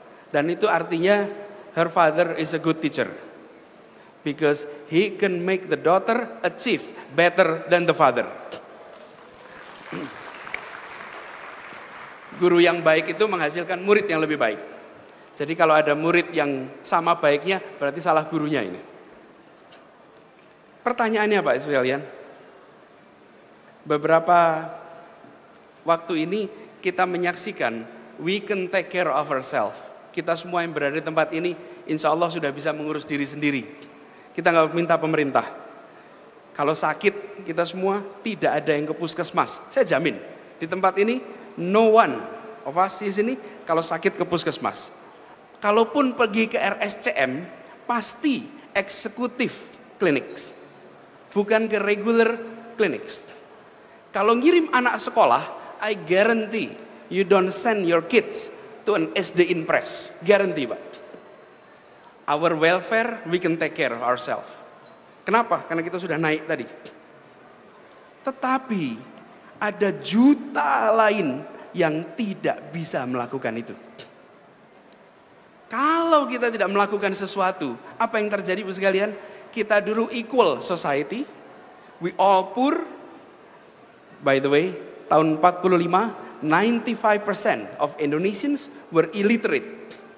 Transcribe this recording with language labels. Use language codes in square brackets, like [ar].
[id] Dan itu artinya [en] her father is a good teacher, because he can make the daughter achieve better than the father. [id] Guru yang baik itu menghasilkan murid yang lebih baik. Jadi kalau ada murid yang sama baiknya, berarti salah gurunya ini. Pertanyaannya Pak Israelian, beberapa waktu ini kita menyaksikan, [en] we can take care of ourselves. [id] Kita semua yang berada di tempat ini, insya Allah sudah bisa mengurus diri sendiri. Kita gak minta pemerintah. Kalau sakit, kita semua tidak ada yang ke puskesmas. Saya jamin, di tempat ini, [en] no one of us [id] di sini, kalau sakit ke puskesmas. Kalaupun pergi ke RSCM, pasti eksekutif clinics, bukan ke [en] regular clinics. [id] Kalau ngirim anak sekolah, [en] I guarantee you don't send your kids to an SD impress. Guarantee, Pak. Our welfare, we can take care of ourselves. [id] Kenapa? Karena kita sudah naik tadi. Tetapi ada juta lain yang tidak bisa melakukan itu. Kalau kita tidak melakukan sesuatu, apa yang terjadi Bu sekalian? Kita dulu [en] equal society, we all poor. By the way, [id] tahun 45, [en] 95% of Indonesians were illiterate.